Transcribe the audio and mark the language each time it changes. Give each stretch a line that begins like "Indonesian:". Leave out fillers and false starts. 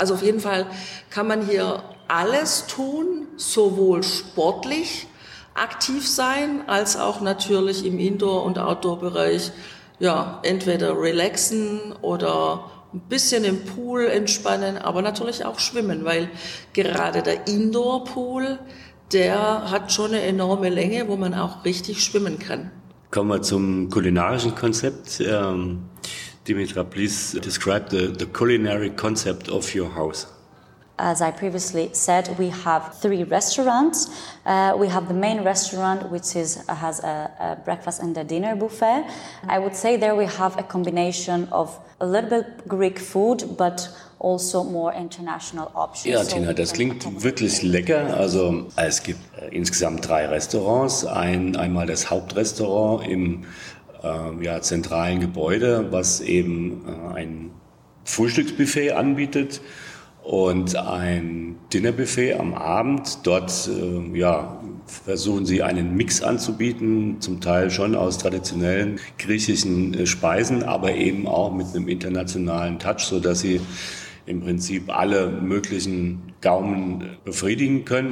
German: Also auf jeden Fall kann man hier alles tun, sowohl sportlich aktiv sein, als auch natürlich im Indoor- und Outdoor-Bereich, ja, entweder relaxen oder ein bisschen im Pool entspannen, aber natürlich auch schwimmen, weil gerade der Indoor-Pool, der hat schon eine enorme Länge, wo man auch richtig schwimmen kann. Kommen wir zum kulinarischen Konzept.
English: Dimitra, please describe the culinary concept of your house. As I previously said, we have three restaurants. We have the main restaurant, which has a breakfast and a dinner buffet. I would say there we have a combination of a little bit Greek food, but also more international options.
German: Ja, Tina, das klingt wirklich lecker. Also es gibt insgesamt drei Restaurants. Einmal das Hauptrestaurant im zentralen Gebäude, was eben ein Frühstücksbuffet anbietet. Und ein Dinnerbuffet am Abend. Dort versuchen sie einen Mix anzubieten, zum Teil schon aus traditionellen griechischen Speisen, aber eben auch mit einem internationalen Touch, so dass sie im Prinzip alle möglichen Gaumen befriedigen können.